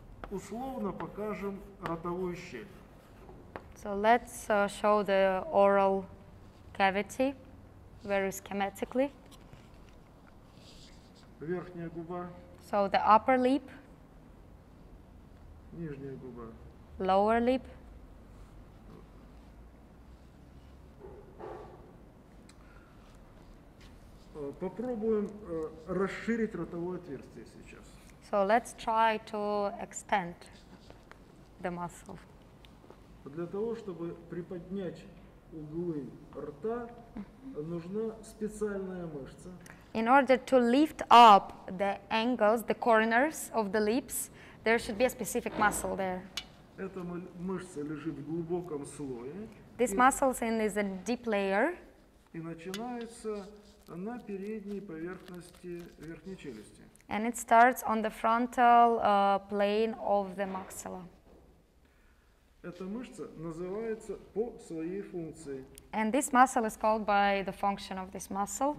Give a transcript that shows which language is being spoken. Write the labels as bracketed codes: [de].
[ru] Условно покажем ротовую щель. [en] So let's show the oral cavity very schematically. [ru] Верхняя губа. [en] So the upper lip. [ru] Нижняя губа. [en] Lower lip. [ru] Попробуем расширить ротовое отверстие сейчас. [en] So let's try to extend the muscle. [ru] Для того, чтобы приподнять углы рта, нужна специальная мышца. [en] In order to lift up the angles, the corners of the lips, there should be a specific muscle there. [ru] Эта мышца лежит в глубоком слое. [en] This muscle is in a deep layer. [ru] и начинается на передней поверхности верхней челюсти. [en] And it starts on the frontal plane of the maxilla. [ru] Эта мышца называется по своей функции. [en] And this muscle is called by the function of this muscle.